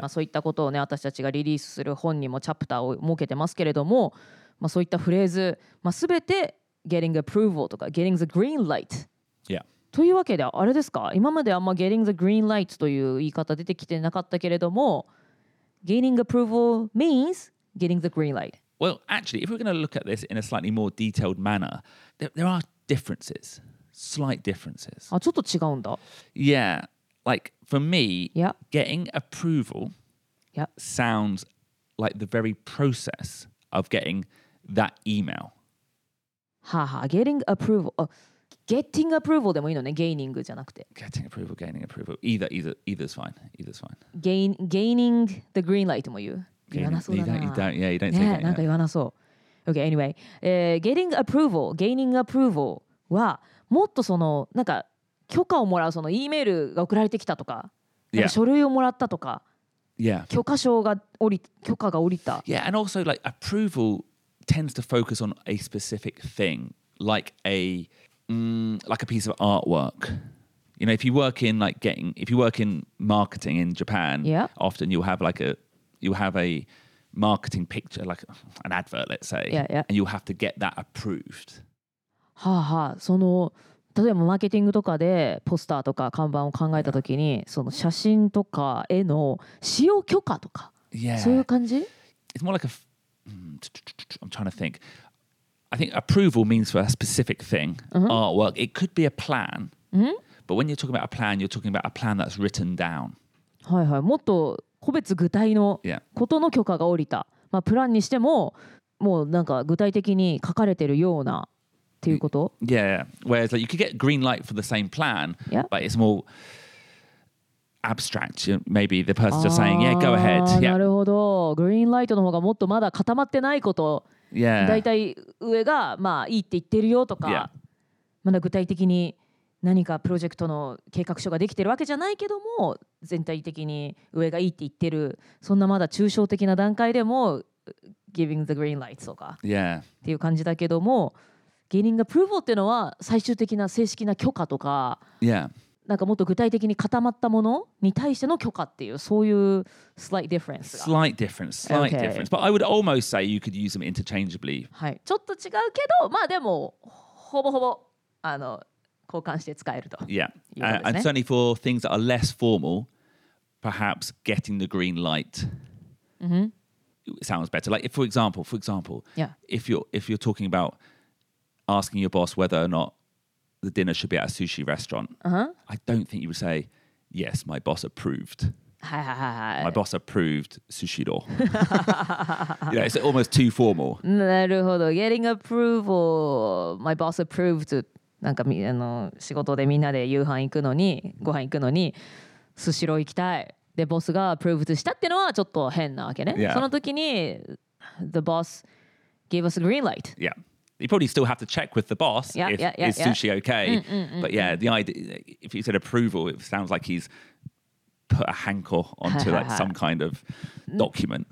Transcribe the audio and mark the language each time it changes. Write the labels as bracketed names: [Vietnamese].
[Japanese] まあ、そういったことをね、私たちがリリースする本にもチャプターを設けてますけれども、まあ、そういったフレーズ、まあ、全てGetting approval とか Getting the green light、 [English] yeah. [Japanese] というわけであれですか、今まであんま Getting the green light という言い方出てきてなかったけれども、 [English] Gaining approval means Getting the green light. Well, actually, if we're going to look at this in a slightly more detailed manner, there are differences, slight differences. [Japanese] あ、ちょっと違うんだ。 [English] Yeah, like for me、 yeah. Getting approval、 yeah. sounds like the very process of getting that email Haha, getting approval.、getting approval [Japanese] でもいいのね。 Gaining じゃなくて。 [English] Getting approval, gaining approval. Either's fine. Either's fine. Gaining the green light [Japanese] も言う。 Gaining, 言わなそうだな。 [English] You don't [Japanese] ね、なんか言わなそう。 Okay, anyway,、getting approval, gaining approval はもっとそのなんか許可をもらう、その E メールが送られてきたとか、 [English] yeah. [Japanese] 書類をもらったとか、 [English] yeah. [Japanese] 許可が降りた。 [English] Yeah, and also like approval. Tends to focus on a specific thing, like a piece of artwork. You know, if you work in marketing in Japan,、 yeah. often you'll have a marketing picture, like an advert, let's say, yeah, yeah. and you'll have to get that approved. [Japanese] はあ、はあ、その例えばマーケティングとかでポスターとか看板を考えたときに、yeah. その写真とか絵の使用許可とか、 [English] yeah. [Japanese] そういう感じ。 [English] It's more like I'm trying to think. I think approval means for a specific thing,、 mm-hmm. artwork. It could be a plan,、 mm-hmm. but when you're talking about a plan, you're talking about a plan that's written down. [Japanese] はいはい、もっと個別具体のことの許可が下りた。 [English] Yeah. [Japanese] まあプランにしても、もうなんか具体的に書かれてるようなっていうこと。 [English] Yeah, yeah. Whereas like, you could get green light for the same plan,、 yeah. but it's more abstract. Maybe the person's just saying, "Yeah, go ahead." [Japanese] なるほど。 [English] Yeah. [Japanese] グリーンライトの方がもっとまだ固まってないこと、 [English] yeah. [Japanese] だいたい上がまあいいって言ってるよとか、 [English] yeah. [Japanese] まだ具体的に何かプロジェクトの計画書ができてるわけじゃないけども全体的に上がいいって言ってるそんなまだ抽象的な段階でも giving the green lights とか、 [English] yeah. [Japanese] っていう感じだけどもgetting approval っていうのは最終的な正式な許可とか、 [English] yeah. [Japanese] なんかもっと具体的に固まったものに対しての許可っていうそういう slight difference [English] が slight difference slight、okay. difference but I would almost say you could use them interchangeably、 [Japanese] はい、ちょっと違うけどまあでもほぼほぼあの交換して使えると、 [English] yeah. ね、and certainly for things that are less formal perhaps getting the green light、 mm-hmm. it sounds better like for example、 yeah. if you're talking aboutasking your boss whether or not the dinner should be at a sushi restaurant,、 uh-huh. I don't think you would say, yes, my boss approved. My boss approved sushiro. you know, it's almost too formal. [Japanese] なるほど。 [English] Getting approval, my boss approved. [Japanese] なんかあの仕事でみんなで夕飯行くのに、ご飯行くのに、スシロー行きたい。で、ボスが approved したっていうのはちょっと変なわけね。 [English] Yeah. [Japanese] その時に、 [English] the boss gave us a green light. Yeah. You probably still have to check with the boss if sushi okay. But yeah, the idea, if you said approval, it sounds like he's put a hanko onto like some kind of document.